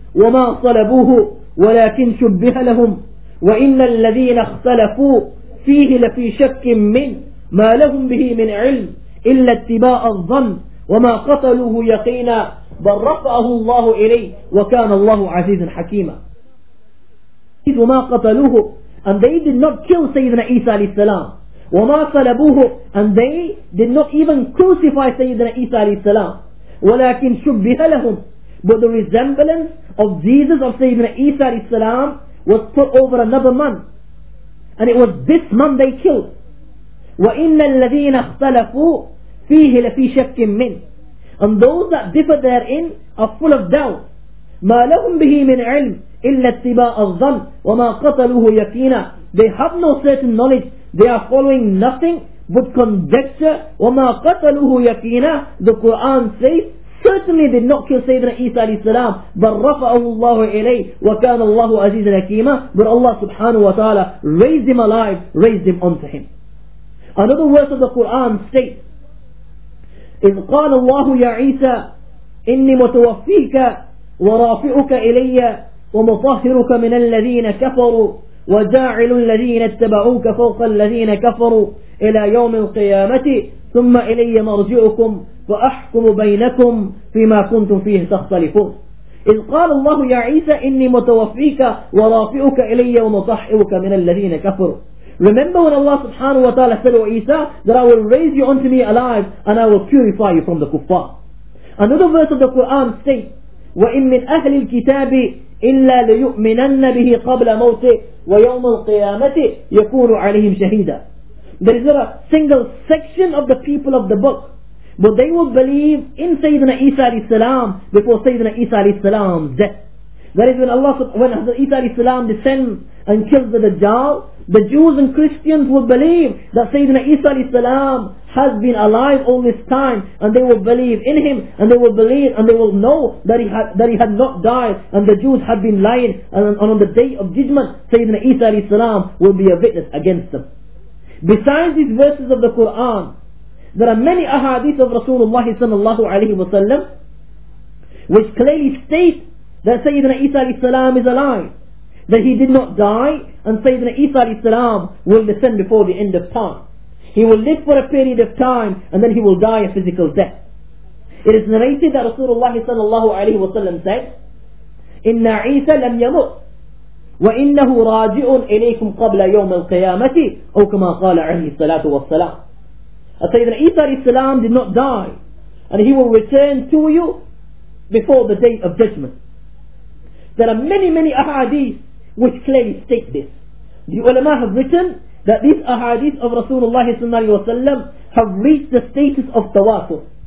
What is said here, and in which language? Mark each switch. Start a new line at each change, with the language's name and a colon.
Arabic: وما طلبوه ولكن شبه لهم، وإن الذين اختلفوا فيه لفي شك من ما لهم به من علم إلا اتباع الظن، وما قتلوه يقينا بل رفعه الله إليه وكان الله عزيزا حكيما. وما قتلوه
English: and they did not kill Sayyidina Isa alayhi salam.
Arabic: وما طلبوه
English: and they did not even crucify Sayyidina Isa alayhi salam.
Arabic: ولكن شبه لهم
English: but the resemblance of Jesus of Sayyidina Isa alayhi salam was put over another man, and it was this man they killed.
Arabic: وَإِنَّ الَّذِينَ اخْتَلَفُوا فِيهِ لَفِي شَكٍ مِّنْ
English: and those that differ therein are full of doubt.
Arabic: مَا لَهُمْ بِهِ مِنْ عِلْمٍ إِلَّا اتِّبَاءَ الظَّنِّ وَمَا قَتَلُوهُ يَقِينًا
English: they have no certain knowledge, they are following nothing but conjecture.
Arabic: وَمَا قَتَلُوهُ يَقِينًا
English: the Quran says certainly did not kill Sayyidina Isa alayhi salam, but
Arabic: رَفَعَهُ اللَّهُ إِلَيْهِ وَكَانَ اللَّهُ عَزِيزًا حَكِيمًا
English: but Allah subhanahu wa ta'ala raised him alive, raised him unto him. Another verse of the Quran states,
Arabic: إِذْ قَالَ اللَّهُ يَا عِيسَى إِنِّي مُتَوَفِّيكَ وَرَافِعُكَ إِلَيَّ وَمُطَهِّرُكَ مِنَ الَّذِينَ كَفَرُوا وَجَاعِلُ الَّذِينَ اتَّبَعُوكَ فَوْقَ الَّذِينَ كَفَرُوا إِلَى يَوْمِ الْقِيَامَةِ ثُمَّ إِلَيَّ مَرْجِعُكُمْ فَأَحْكُمُ بَيْنَكُمْ فِيمَا كُنْتُمْ فِيهِ تَخْتَلِفُونَ إِذْ قَالَ اللَّهُ يَا عِيسَى إِنِّي مُتَوَفِّيكَ وَرَافِعُكَ إِلَيَّ وَمُطَهِّرُكَ مِنَ الَّذِينَ كَفَرُوا.
English: Remember when Allah subhanahu wa ta'ala said to Isa that I will raise you unto me alive and I will purify you from the kuffar. Another verse of the Quran states,
Arabic: وَإِن مِّنْ أَهْلِ الْكِتَابِ إِلَّا لَيُؤْمِنَنَّ بِهِ قَبْلَ مَوْتِ وَيَوْمَ الْقِيَامَةِ يَكُونُ عَلَيْهِمْ شَهِيدًا.
English: There is not a single section of the people of the book, but they will believe in Sayyidina Isa alayhi salam before Sayyidina Isa alayhi salam's death. That is when Allah, when Isa alayhi salam descends and kills the Dajjal, the Jews and Christians will believe that Sayyidina Isa alayhi salam has been alive all this time, and they will believe in him, and they will believe, and they will know that he had not died, and the Jews had been lying, and on the day of judgment, Sayyidina Isa alayhi salam will be a witness against them. Besides these verses of the Quran, there are many ahadith of Rasulullah sallallahu alayhi wa sallam, which clearly state that Sayyidina Isa alayhi salam is alive, that he did not die, and Sayyidina Isa alayhi salam will descend before the end of time. He will live for a period of time, and then he will die a physical death. It is narrated that Rasulullah sallallahu alayhi wa sallam said,
Arabic: إِنَّ عِيسَى لَمْ يَمُؤْ وَإِنَّهُ رَاجِعٌ إِلَيْكُمْ قَبْلَ يَوْمَ الْقِيَامَةِ أَوْ كَمَا قَالَ عَلَيْهِ الصَّلَاةُ وَالسَّلَامُ.
English: And Sayyidina Isa alayhi salam did not die, and he will return to you before the day of judgment. There are many, many ahadith which clearly state this. The ulama have written that these ahadith of Rasulullah sallallahu have reached the status of tawatir.